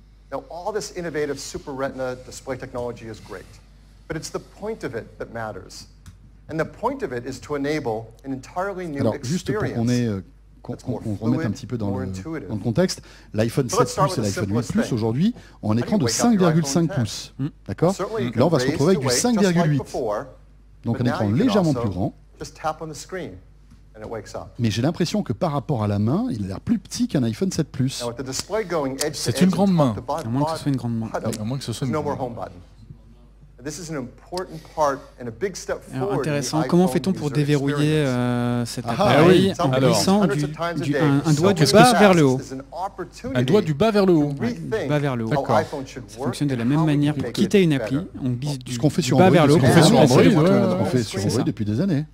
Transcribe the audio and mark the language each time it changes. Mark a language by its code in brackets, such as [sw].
[en] Now all this innovative Super Retina display technology is great, but it's the point of it that matters. And the point of it is to enable an entirely new [fr] Alors, [en] experience. [fr] Juste pour qu'on remette un petit peu dans le contexte, l'iPhone 7 Plus et l'iPhone 8 Plus aujourd'hui ont un écran de 5,5 pouces. D'accord ? Là on va se retrouver avec du 5,8. Donc un écran légèrement plus grand. [en] Just tap on the screen and it wakes up. [fr] Mais j'ai l'impression que par rapport à la main, il a l'air plus petit qu'un iPhone 7 Plus. C'est une grande main. À moins que ce soit une grande main. À moins que ce soit une grande main. [en] This is an important part and a big step forward. [fr] Alors, intéressant. Comment fait-on pour déverrouiller cet appareil en glissant un doigt du bas vers le haut? Un doigt du bas vers le haut. Du bas vers le haut. D'accord. Ça fonctionne de la même manière pour quitter une appli. On glisse du bas vers le haut. Ce qu'on fait sur Android, depuis des années.